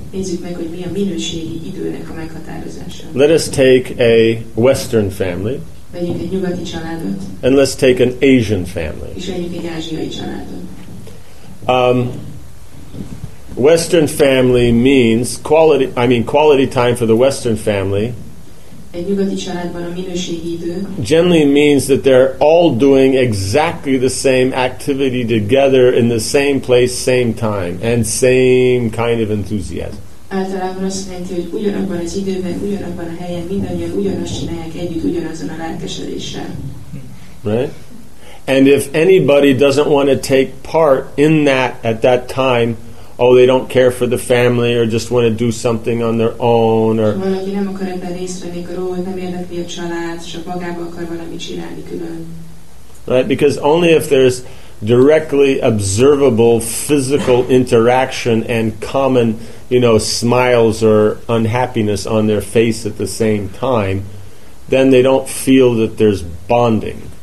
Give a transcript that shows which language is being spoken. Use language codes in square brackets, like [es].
[hu] Nézzük meg, hogy mi a minőségi időnek a meghatározása. [en] Let us take a Western family. [hu] Vegyük egy nyugati családot. [en] And let's take an Asian family. [hu] És vegyük egy ázsiai családot. [en] Western family means quality time for the Western family. [hu] Egy nyugati családban a minőségi idő [en] generally means that they're all doing exactly the same activity together in the same place, same time, and same kind of enthusiasm. [hu] Általában azt jelenti, hogy ugyanabban az időben, ugyanabban a helyen, mindannyian ugyanazt csinálják együtt, ugyanazon a lelkesedéssel. [en] Right? And if anybody doesn't want to take part in that at that time, oh, they don't care for the family or just want to do something on their own, or [hu] valaki nem akar ebben részt venni, akkor ó, nem érdekli a család, csak magába akar valami csinálni külön. [en] Right, because only if there's directly observable physical interaction and common, you know, smiles or unhappiness on their face at the same time, then they don't feel that there's bonding.